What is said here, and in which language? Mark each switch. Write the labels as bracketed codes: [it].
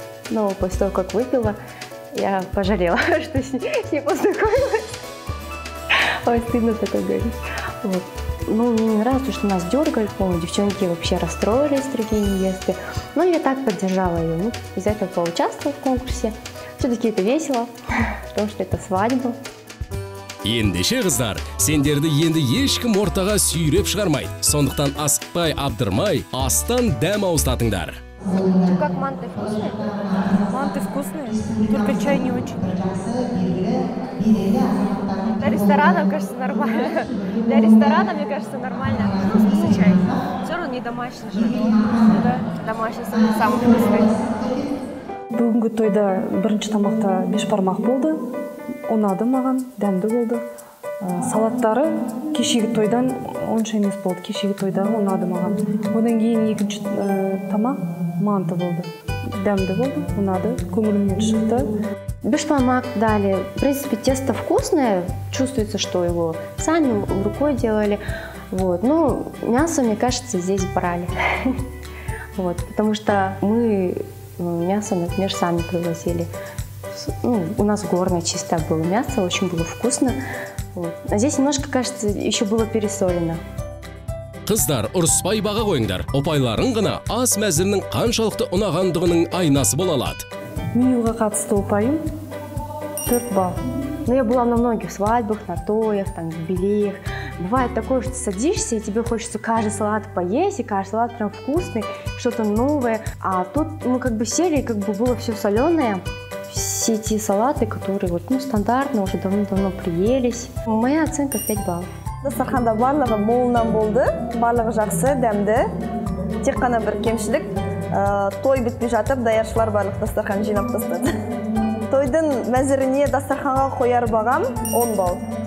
[ru] Но после того, как выпила, я пожалела, что с ней познакомилась. Ой, стыдно так говорить. Вот. Ну, мне не нравится, что нас дергали, по-моему, девчонки вообще расстроились, другие невесты. Но я так поддержала ее, ну, из-за этого поучаствовала в конкурсе. Все-таки это весело, потому что это свадьба. [kk] Ендеше, қыздар, сендерді енді ешкім ортаға сүйреп шығармай. Сондықтан асықпай, абдырмай, астан дәм ауыстатыңдар. [ru] Ну как манты вкусные? Манты вкусные, только чай не очень. Для ресторана, кажется, нормально. Для ресторана, мне кажется, нормально. Вкусный чай. Все равно не домашний же. Да. Домашний самый вкусный. [kk] Бүгінгі тойда бірінші тамақта бешбармақ болды. Ұнады маған, дәмді болды. Салаттары кешегі тойдан онша емес болды. Кешегі тойдағы ұнады маған. Одан кейін екінші тамақ манты болды, дәмді болды, ұнады, көңілімнен шықты. Бешбармақ дали. [ru] В принципе, тесто вкусное. Чувствуется, что его сами рукой делали. Вот. Ну, мясо, мне кажется, здесь брали. Вот. Потому что мы мясо, например, сами привозили. Ну, у нас горное чисто было мясо, очень было вкусно. Вот. А здесь немножко, кажется, еще было пересолено. [kk] Қыздар, ұрыспай баға қойыңдар. Опайларың ғана ас мәзірінің қаншалықты ұнағандығының айнасы болалады. Миюға қатысты опайым 4 балл. [ru] Ну, я была на многих свадьбах, на тоях, там, в белеях. Бывает такое, что садишься, и тебе хочется каждый салат поесть, и каждый салат прям вкусный, что-то новое. А тут мы как бы сели, и как бы было все соленое. все те салаты, которые вот, ну, стандартно уже давно-давно приелись. Моя оценка 5 баллов. [kk] Дастарханда барлығы молынан болды, барлығы жақсы, дәмді. Тек қана бір кемшілік, той бітпей жатып, даяшылар барлық дастархан жинап тастады. Тойдың мәзіріне дастарханға қояр бағам 10 балл.